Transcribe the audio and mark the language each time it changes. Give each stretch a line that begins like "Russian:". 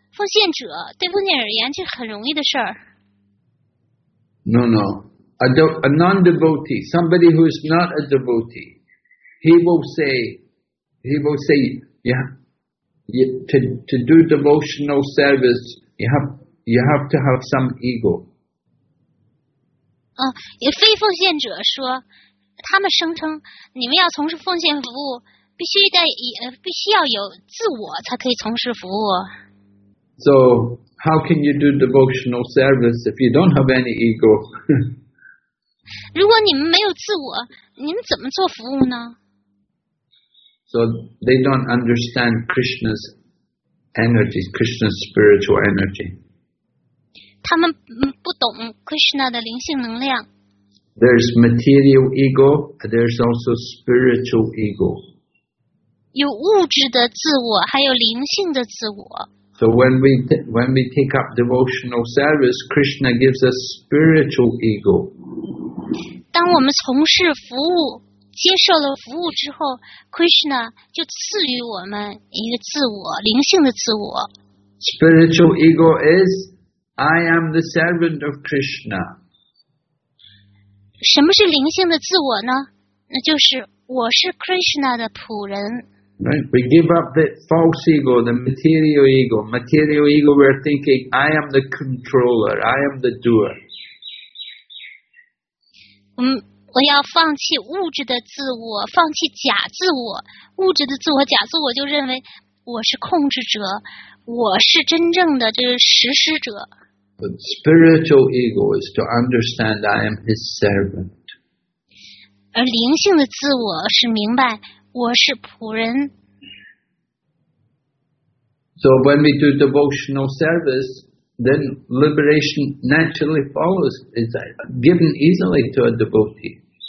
Chinese: 奉献者对奉献者而言，这是很容易的事儿。
English: No, a non-devotee, somebody who is not a devotee, he will say, yeah, to do devotional service, you have to have some ego.
Chinese: 非奉献者说，他们声称你们要从事奉献服务，必须要有自我才可以从事服务。
English: So how can you do devotional service if you don't have any ego?
Chinese: 如果你们没有自我，你们怎么做服务呢？
English: So they don't understand Krishna's energy, Krishna's spiritual energy.
Chinese: 他们不懂 Krishna 的灵性能量。
English: There's material ego, there's also spiritual ego.
Chinese: 有物质的自我，还有灵性的自我。
English: So when we take up devotional service, Krishna gives us spiritual ego.
Chinese: 当我们从事服务接受了服务之后 ，Krishna 就赐予我们一个自我，灵性的自我。
English: Spiritual ego is I am the servant of Krishna.
Chinese: 什么是灵性的自我呢？那就是我是 Krishna 的仆人。
English: Right, we give up the false ego, the material ego. Material ego, we're thinking I am the controller, I am the doer.
Chinese: 我要放弃物质的自我，放弃假自我。物质的自我、假自我，就认为我是控制者，我是真正的这个实施者。
English: But spiritual ego is to understand I am his servant.
Chinese: 而灵性的自我是明白我是仆人。
English: So when we do devotional service, then liberation naturally follows. It's given easily to a devotee.